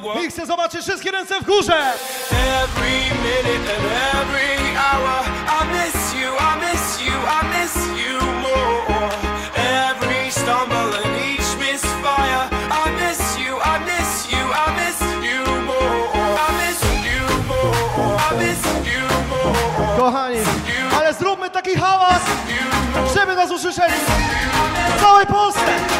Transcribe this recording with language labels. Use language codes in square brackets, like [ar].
[pl] Chcę zobaczyć wszystkie ręce w górze! [en] Every minute and every hour I miss you, I miss you, I miss you more. Every stumble and each misfire I miss you, I miss you, I miss you more. I miss you more, I miss you more. [pl] Kochani, ale zróbmy taki hałas, żeby nas usłyszeli w całej Polsce!